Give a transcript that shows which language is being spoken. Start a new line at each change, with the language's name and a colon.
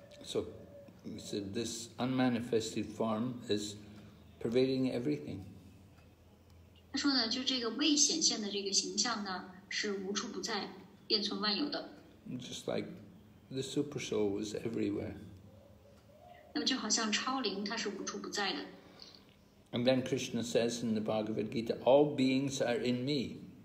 English: So, he said this unmanifested form is pervading everything.
Chinese: 他说呢，就这个未显现的这个形象呢，是无处不在，遍存万有的。
English: Just like the super soul is everywhere.
Chinese: 那么就好像超灵，它是无处不在的。
English: And then Krishna says in the Bhagavad Gita, all beings are in me.